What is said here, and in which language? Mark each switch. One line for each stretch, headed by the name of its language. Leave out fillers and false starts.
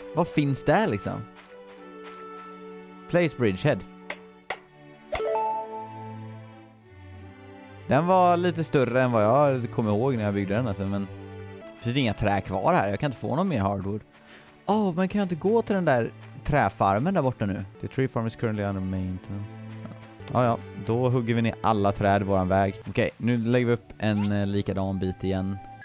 Swedish: Vad finns där liksom?
English: Place bridgehead.
Swedish: Den var lite större än vad jag kom ihåg när jag byggde den. Alltså, men det finns inga trä kvar här. Jag kan inte få någon mer hardwood. Åh, men kan jag inte gå till den där träfarmen där borta nu?
English: The tree farm is currently under maintenance.
Swedish: Ja, då hugger vi ner alla träd i våran väg. Okej, nu lägger vi upp en likadan bit igen.